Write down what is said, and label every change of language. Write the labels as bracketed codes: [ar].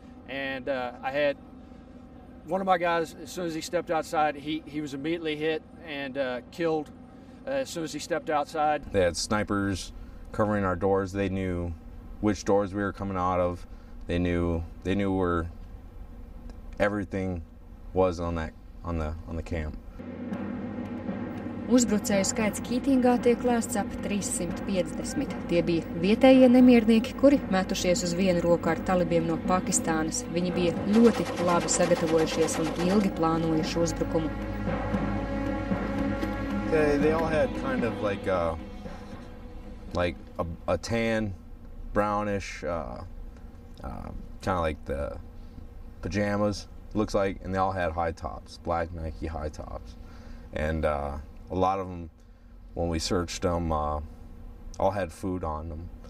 [en] And I had one of my guys, as soon as he stepped outside, he was immediately hit and killed as soon as he stepped outside. They had snipers covering our doors. They knew which doors we were coming out of. They knew where everything was on the camp. [lv] Uzbrucēju skaits Kītingā tiek lēsts ap 350. Tie bija vietējie nemiernieki, kuri metušies uz vienu roku ar talibiem no Pakistānas. Viņi bija ļoti labi sagatavojušies un ilgi plānojuši uzbrukumu. [en] They all had kind of like a tan, brownish, kind of like the pajamas looks like, and they all had high tops, black Nike high tops, and a lot of them, when we searched them, all had food on them.